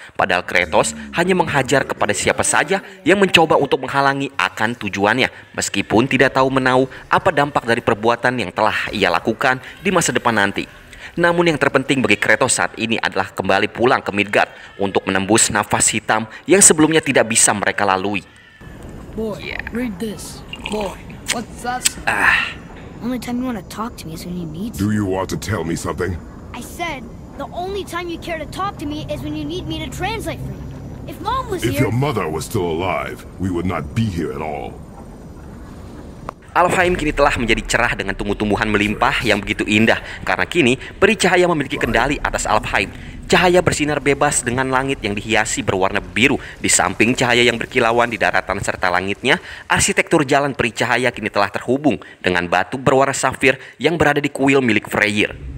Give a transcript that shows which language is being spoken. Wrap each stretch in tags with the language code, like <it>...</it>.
<id>Padahal Kratos hanya menghajar kepada siapa saja yang mencoba untuk menghalangi akan tujuannya, meskipun tidak tahu menahu apa dampak dari perbuatan yang telah ia lakukan di masa depan nanti. Namun yang terpenting bagi Kratos saat ini adalah kembali pulang ke Midgard untuk menembus nafas hitam yang sebelumnya tidak bisa mereka lalui.</id> <en>Boy, read this. Boy, what's that? Only time you want to talk to me is when you need to. Do you want to tell me something? I said the only time you care to talk to me is when you need me to translate for you. If mom was here. If your mother was still alive, we would not be here at all.</en> <id>Alfheim kini telah menjadi cerah dengan tumbuh-tumbuhan melimpah yang begitu indah karena kini peri cahaya memiliki kendali atas Alfheim. Cahaya bersinar bebas dengan langit yang dihiasi berwarna biru. Di samping cahaya yang berkilauan di daratan serta langitnya, arsitektur jalan peri cahaya kini telah terhubung dengan batu berwarna safir yang berada di kuil milik Freyr.</id>